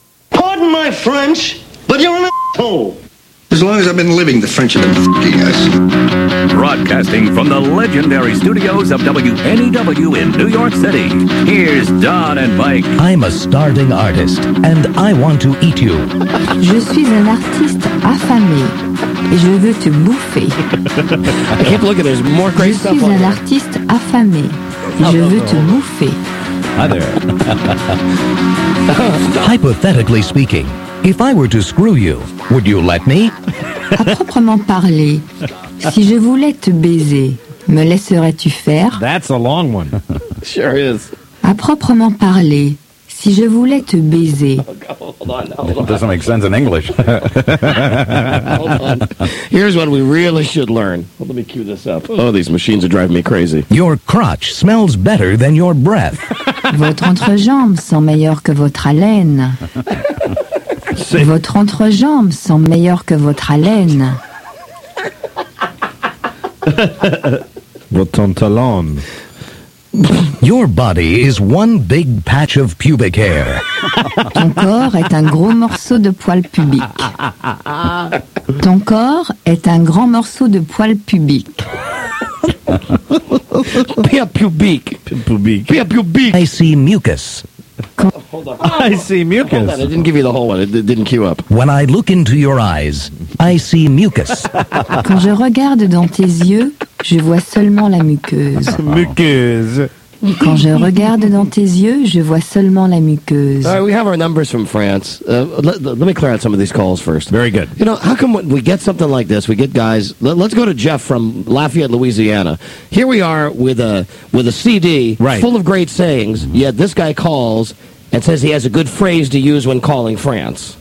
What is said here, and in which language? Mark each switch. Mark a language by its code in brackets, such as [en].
[en] Pardon my French, but you're an asshole. As long as I've been living, the French have been f***ing us. Broadcasting from the legendary studios of WNEW in New York City, here's Don and Mike. I'm a starving artist, and I want to eat you. [fr] Je suis un artiste affamé, et je veux te bouffer. [en] I keep looking, there's more great [fr] je [en] stuff on there. [fr] Je suis un artiste affamé, et je veux te bouffer. [en] Hi there. Hypothetically speaking, if I were to screw you, would you let me? [fr] À proprement parler, si je voulais te baiser, me laisserais-tu faire? [en] That's a long one. Sure is. [fr] À proprement parler, si je voulais te baiser. [en] Hold on. That doesn't make sense in English. Hold on. Here's what we really should learn. Well, let me cue this up. Oh, these machines are driving me crazy. Your crotch smells better than your breath. [fr] Votre entrejambe sent meilleur que votre haleine. C'est... Votre entrejambe sent meilleur que votre haleine. Votre talon. [en] Your body is one big patch of pubic hair. [fr] Ton corps est un gros morceau de poil pubique. Ton corps est un grand morceau de poil pubique. Pia pubique. Pubique. Pia pubique. [en] I see mucus. I see mucus. Hold on, I didn't give you the whole one. It didn't queue up. When I look into your eyes, I see mucus. [fr] Quand je regarde dans tes yeux, je vois seulement la muqueuse. Muqueuse. Quand je regarde dans tes yeux, je vois seulement la muqueuse. [en] All right, we have our numbers from France. Let me clear out some of these calls first. Very good. You know, how come when we get something like this, we get guys... Let's go to Jeff from Lafayette, Louisiana. Here we are with a CD right. Full of great sayings, yet this guy calls... And says he has a good phrase to use when calling France.